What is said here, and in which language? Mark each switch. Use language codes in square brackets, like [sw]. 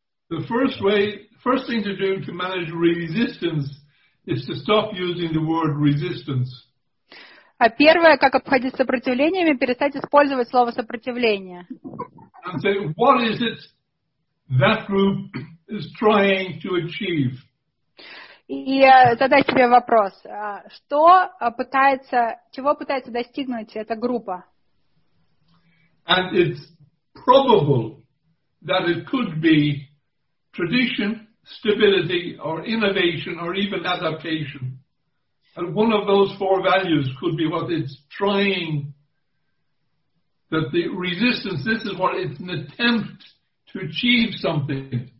[en] The first way, first thing to do to manage resistance is to stop using the word resistance. [ru] А первое, как обходиться сопротивлениями, перестать использовать слово сопротивление. [en] And say, what is it that group is trying to achieve? [ru] И задать себе вопрос, что пытается, чего пытается достигнуть эта группа? [en] And it's probable that it could be tradition, stability, or innovation, or even adaptation. And one of those four values could be what it's trying, that the resistance, this is what it's an attempt to achieve something.